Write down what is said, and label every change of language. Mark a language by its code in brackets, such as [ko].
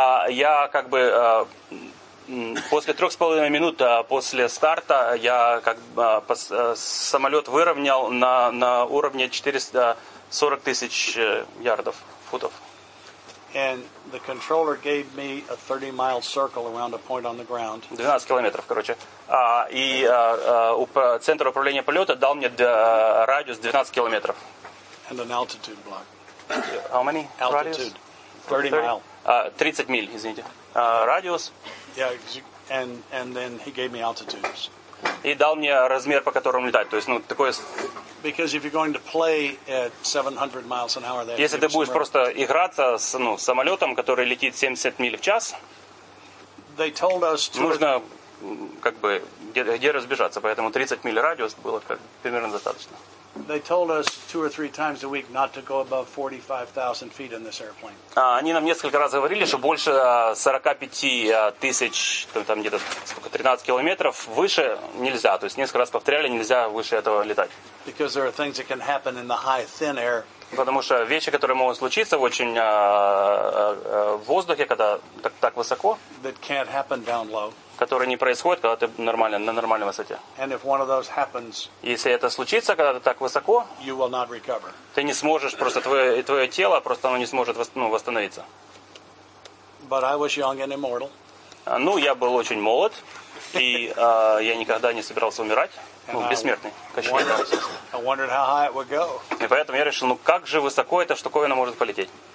[ru] Я как бы после 3.5 минут после старта я как бы самолет выровнял на уровне 440 тысяч ярдов, футов. [en] And the controller gave me a 30-mile circle around a point on the ground. [ru] 12 километров, короче. И центр управления полета дал мне радиус 12 километров. [en] And an altitude block. How many? Altitude. Radius? 30 mile. [ru] 30 миль, извините. Радиус. [en] Yeah, and then he gave me altitudes. [ru] И дал мне размер, по которому летать. То есть, ну, такое... [en] Because if you're going to play at 700 miles an hour, [ru] если ты будешь просто играться с ну самолетом, который летит 70 миль в час, [en] they told us to [ru] нужно как бы где разбежаться, поэтому 30 миль радиус было как, примерно достаточно. [en] They told us two or three times a week not to go above 45,000 feet in this airplane. [ru] Они нам несколько раз говорили, что больше 45 тысяч, там где-то сколько, 13 километров выше нельзя. То есть несколько раз повторяли, нельзя выше этого летать. [en] Because there are things that can happen in the high thin air. [ru] Потому что вещи, которые могут случиться очень в воздухе, когда так высоко. [en] That can't happen down low. [ru] Которые не происходят, когда ты нормально, на нормальной высоте. [en] And if one of those happens, [ru] если это случится, когда ты так высоко, [en] you will not recover. [ru] Ты не сможешь, просто твое тело просто оно не сможет восстановиться. [en] But I was young and immortal. [ru] Ну, я был очень молод, и я никогда не собирался умирать. Ну, бессмертный. [en] I wondered how high it would go. [ru] И поэтому я решил, ну как же высоко эта штуковина может полететь?